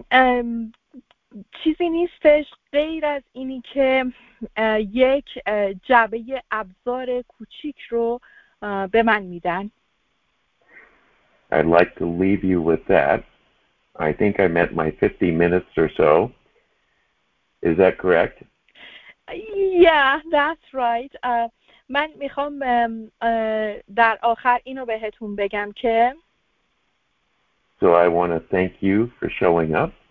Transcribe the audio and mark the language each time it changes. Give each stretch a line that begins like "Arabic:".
Persian: این چیزی نیستش غیر از اینی که یک جعبه ابزار کوچیک رو به من میدن.
English: I'd like to leave you with that. I think I met my 50 minutes or so. Is that correct? Yeah, that's right.
Persian: من میخوام در آخر اینو بهتون بگم که
English: So I want to thank you for showing up.